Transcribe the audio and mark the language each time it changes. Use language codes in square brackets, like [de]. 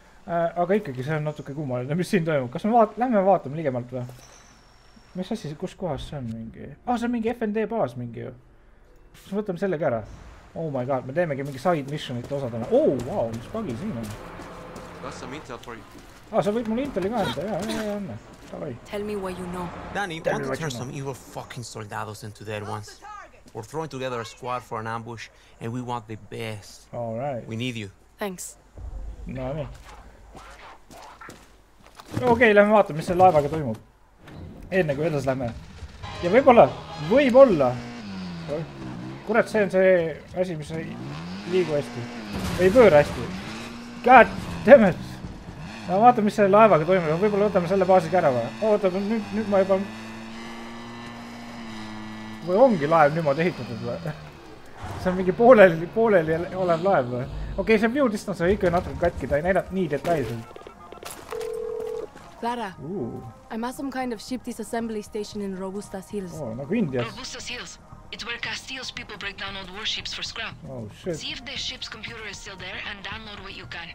[et] Aga ikkagi see on natuke kummaline, mis siin toimub. Kas me lähme vaatame ligemalt või? Mis asi, kus kohas see on mingi? Ah, see on mingi FND baas mingi ju. Siis võtame sellega ära. [en] Oh my god, [et] me teemegi mingi side missionite osadana. [en] Oh, wow, [et] mis bugi siin on. [en] Got some intel for you. [et] Ah, sa võid mulle inteli ka enda, jah, anna. Tavai. [en] Tell me what you know. Danny, you want to turn some evil fucking soldados into dead ones. We're throwing together a squad for an ambush, and we want the best. Alright. We need you. Thanks. [et] No, nii. Okei, lähme vaatame, mis selle laevaga toimub. Enne kui edas lähme. Ja võibolla, võibolla. Kurat, see on see asi, mis ei liigu hästi. Ei pööra hästi. [en] God damn it! [et] No vaata, mis selle laevaga toimub. Võibolla võtame selle baasiga ära või? Oota, nüüd ma juba... Või ongi laev niimoodi ehitatud või? See on mingi pooleli olev laev või? Okei, see view distance või ikka natuke katki. Ta ei näida nii detailselt. [en] Lara, I'm at some kind of ship disassembly station in Robustas Hills. [et] Oh, nagu Indias. [en] Robustas Hills. It's where Castile's people break down old warships for scrap. Oh, shit. See if the ship's computer is still there and download what you can.